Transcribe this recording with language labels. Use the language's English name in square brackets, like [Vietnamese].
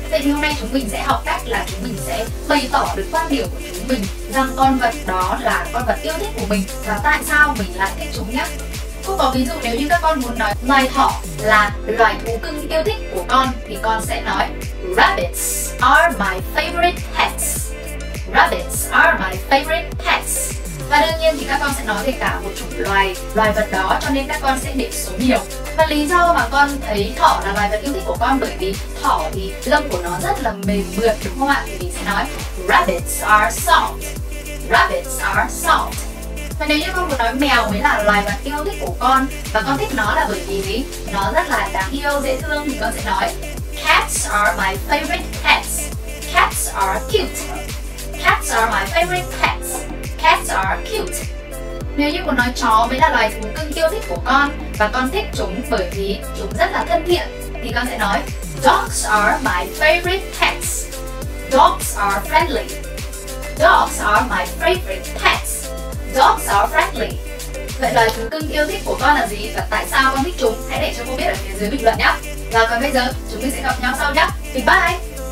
[Vietnamese] Vậy thì hôm nay chúng mình sẽ học cách là chúng mình sẽ bày tỏ được quan điểm của chúng mình rằng con vật đó là con vật yêu thích của mình và tại sao mình lại thích chúng nhé. Cô có ví dụ nếu như các con muốn nói loài thỏ là loài thú cưng yêu thích của con thì con sẽ nói [English] Rabbits are my favorite pets. Rabbits are my favorite pets. [Vietnamese] Và đương nhiên thì các con sẽ nói về cả một chủng loài vật đó, cho nên các con sẽ định số nhiều. Và lý do mà con thấy thỏ là loài vật yêu thích của con bởi vì thỏ thì lông của nó rất là mềm mượt, đúng không ạ? Thì mình sẽ nói [English] Rabbits are soft. Rabbits are soft. [Vietnamese] Và nếu như con muốn nói mèo mới là loài vật yêu thích của con và con thích nó là bởi vì gì? Nó rất là đáng yêu, dễ thương, thì con sẽ nói [English] Cats are my favorite pets. Cats are cute. Cats are my favorite pets. Cats are cute. [Vietnamese] Nếu như con nói chó mới là loài thú cưng yêu thích của con và con thích chúng bởi vì chúng rất là thân thiện, thì con sẽ nói [English] Dogs are my favorite pets. Dogs are friendly. Dogs are my favorite pets. Dogs are friendly. [Vietnamese] Vậy loài thú cưng yêu thích của con là gì và tại sao con thích chúng? Hãy để cho cô biết ở phía dưới bình luận nhé. Và còn bây giờ chúng mình sẽ gặp nhau sau nhé. Bye bye.